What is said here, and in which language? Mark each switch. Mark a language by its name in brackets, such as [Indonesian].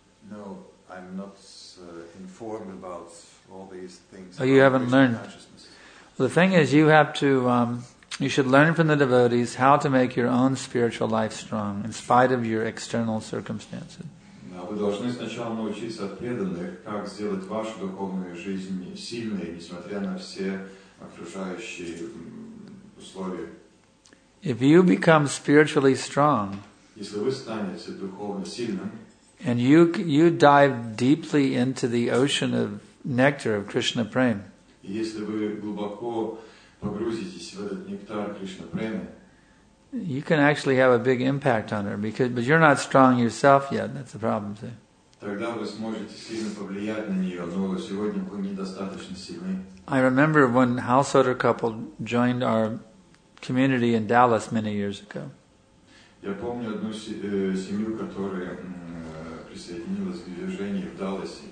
[English] No, I'm not informed about all these things. Oh, you haven't learned. Well, the thing is, you have to, you should learn from the devotees how to make your own spiritual life strong in spite of your external circumstances. [Russian] Вы должны сначала научиться от преданных, как сделать вашу духовную жизнь сильной, несмотря на все окружающие условия. [English] If you become spiritually strong, [Russian] если вы станете духовно сильным, [English] and you dive deeply into the ocean of nectar of Krishna Prem, [Russian] если вы глубоко погрузитесь в этот нектар Кришна Премы, [English] you can actually have a big impact on her, because but you're not strong yourself yet. That's the problem, see. [Russian] Тогда вы сможете сильно повлиять на нее, но сегодня вы недостаточно сильны. [English] I remember when householder couple joined our community in Dallas many years ago. [Russian] Я помню одну семью, которая присоединилась к движению в Далласе.